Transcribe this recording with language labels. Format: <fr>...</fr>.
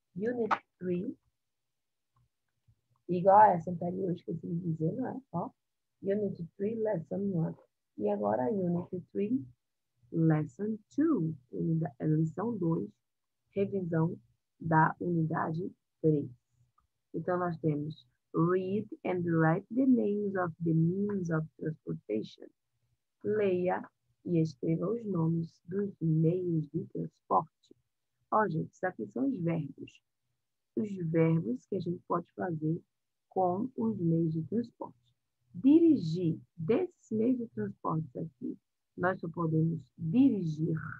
<pt>Unit 3, igual a essa anterior, que eu esqueci de dizer, não é? Ó. Unit 3, Lesson 1. E agora, Unit 3, Lesson 2, lição 2, revisão da unidade 3. Então, nós temos.</pt> <en>Read and write the names of the means of transportation.</en> <pt>Leia e escreva os nomes dos meios de transporte. Ó, gente, isso aqui são os verbos que a gente pode fazer com os meios de transporte. Dirigir, desses meios de transporte aqui, nós só podemos dirigir.</pt>